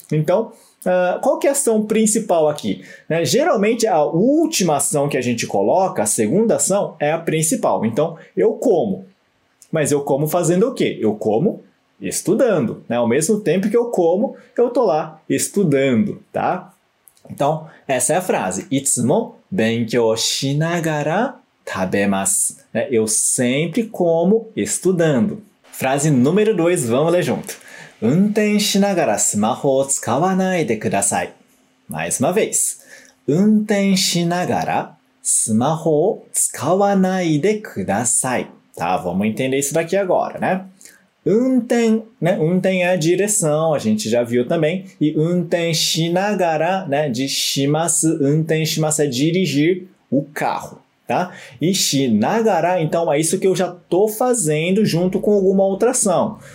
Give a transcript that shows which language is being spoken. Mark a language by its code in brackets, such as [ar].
[pt] Então, qual que é a ação principal aqui? Né? Geralmente, a última ação que a gente coloca, a segunda ação, é a principal. Então, eu como. Mas eu como fazendo o quê? Eu como estudando, né? Ao mesmo tempo que eu como, eu tô lá estudando, tá? Então, essa é a frase. [ja] いつも勉強 しながら 食べます. [pt] Né? Eu sempre como estudando. Frase número 2, vamos ler junto. [ja] 運転しながら スマホ を 使わないで ください. [pt] Mais uma vez. [ja] 運転しながら スマホ を 使わないで ください. [pt] Tá, vamos entender isso daqui agora, né? Unten, né? Unten é a direção, a gente já viu também. E [ja] unten shinagara, [pt] né? De shimasu, [ja] unten shimasu [pt] é dirigir o carro, tá? E shinagara, então é isso que eu já tô fazendo junto com alguma outra ação.